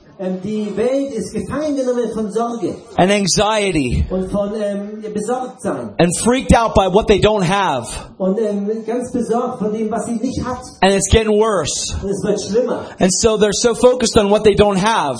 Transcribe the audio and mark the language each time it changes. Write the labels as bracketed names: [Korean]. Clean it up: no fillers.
[German] Und die Welt ist gefangen genommen von Sorge. [English] And anxiety. [German] Und von Besorgtsein. [English] And freaked out by what they don't have. [German] Und ganz besorgt von dem, was sie nicht hat. [English] And it's getting worse. [German] Und es wird schlimmer. [English] And so they're so focused on what they don't have.